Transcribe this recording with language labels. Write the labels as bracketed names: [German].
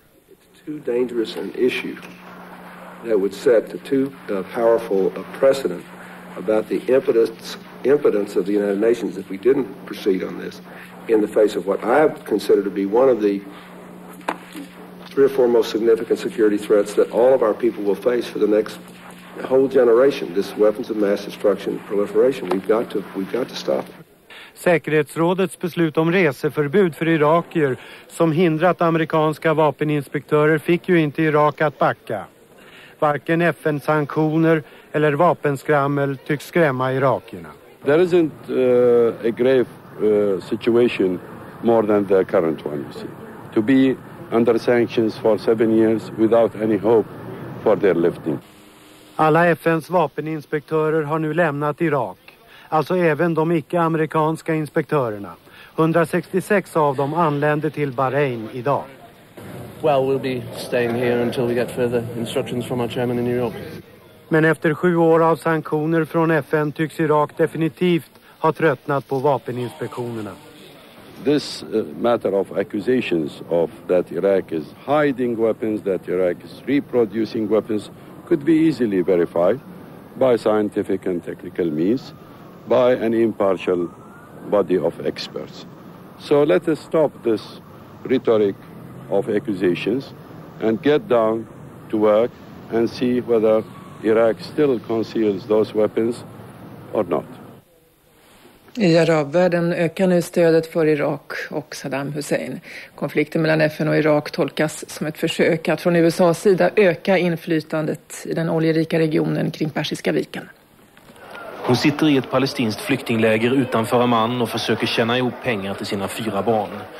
[English] It's too dangerous an issue that would set the too powerful a precedent about the impotence of the United Nations if we didn't proceed on this in the face of what I consider to be one of the three or four most significant security threats that all of our people will face for the next whole generation, this weapons of mass destruction proliferation. We've got to stop it. [Swedish] Säkerhetsrådets beslut om reseförbud för irakier som hindrat amerikanska vapeninspektörer fick ju inte Irak att backa. Varken FN-sanktioner eller vapenskrammel tycks skrämma irakierna. [English] There isn't a grave situation more than the current one, you see. To be under sanctions for 7 years without any hope for their lifting. [Swedish] Alla FNs vapeninspektörer har nu lämnat Irak. Alltså även de icke-amerikanska inspektörerna. 166 av dem anlände till Bahrain idag. [English] Well, we'll be staying here until we get further instructions from our chairman in New York. [Swedish] Men efter 7 år av sanktioner från FN tycks Irak definitivt ha tröttnat på vapeninspektionerna. [English] This matter of accusations of that Iraq is hiding weapons, that Iraq is reproducing weapons, could be easily verified by scientific and technical means, by an impartial body of experts. So let us stop this rhetoric of accusations and get down to work and see whether Iraq still conceals those weapons or not. [Swedish] I arabvärlden ökar nu stödet för Irak och Saddam Hussein. Konflikten mellan FN och Irak tolkas som ett försök att från USA:s sida öka inflytandet i den oljerika regionen kring Persiska viken. Hon sitter i ett palestinskt flyktingläger utanför Amman och försöker tjäna ihop pengar till sina fyra barn.